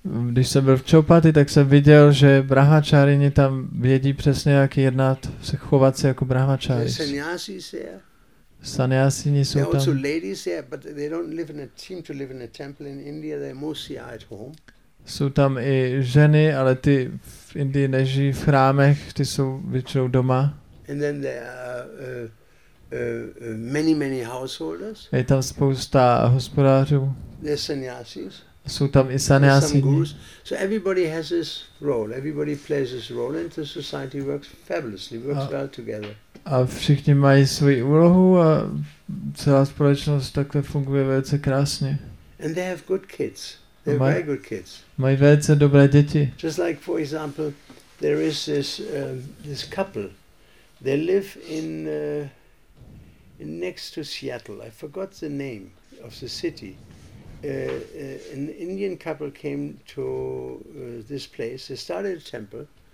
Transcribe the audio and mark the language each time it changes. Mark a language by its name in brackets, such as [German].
[Czech] Když jsem byl v Chopati, tak jsem viděl, že brahmačáriny tam vědí přesně, jak jednat, se chovat se jako brahmačáři. Sanyasini jsou tam. [English] There are also ladies there, but they don't live in a, seem to live in a temple in India. They're mostly at home. [Czech] Jsou tam i ženy, ale ty v Indii nežijí v chrámech, ty jsou většinou doma. [English] And then there are many householders. [Czech] Je tam spousta hospodářů. [English] There's sannyasis. [Czech] Jsou tam i sannyasini. [English] So everybody has his role. Everybody plays his role and the society works fabulously. Works well together. [Czech] A všichni mají svou úlohu a celá společnost takhle funguje velice krásně. [English] And they have good kids. They have very good kids. [Czech] Mají velice dobré děti. [English] Just like for example, there is this this couple. They live in next to Seattle. I forgot the name of the city. An Indian couple came to this place. They started a temple.